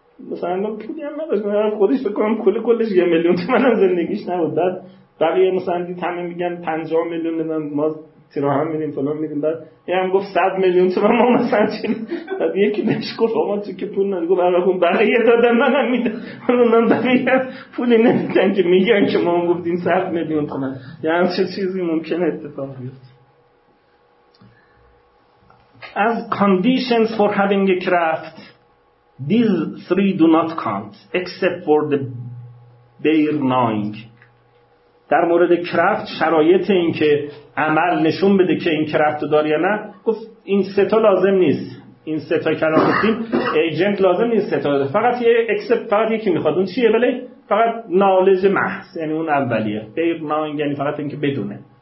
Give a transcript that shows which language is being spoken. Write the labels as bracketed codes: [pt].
[fa] مثلا من پولی هم نداشت، من خودش بکنم کل کلش یه میلیون تومن هم زندگیش نبود، بعد بقیه مثلا دید همه میگن 50 میلیون نمیدن ما تیرا هم میدیم فلان میدیم، بعد یه هم گفت 100 میلیون تومن ما مثلا چیم، بعد یکی بهش گفت آما تو که پول ندید، گفت اون بقیه دادن من هم میدن، اون هم بقیه پولی نمیدن که میگن که ما هم گفتیم 100 میلیون تومن، یه هم چه چیزی ممکنه اتفاق بیفت. [en] As conditions for having a craft, these three do not count except for the bare knowing. [fa] در مورد کرافت، شرایط این که عمل نشون بده که این کرافت رو داری یا نه، گفت این ستا لازم نیست، این ستا کلام گفتیم ایجنت لازم نیست، ستا فقط یه اکسپت، فقط یکی میخواد، اون چیه؟ بله فقط نالج محض، یعنی اون اولیه، bare knowing یعنی فقط این که بدونه،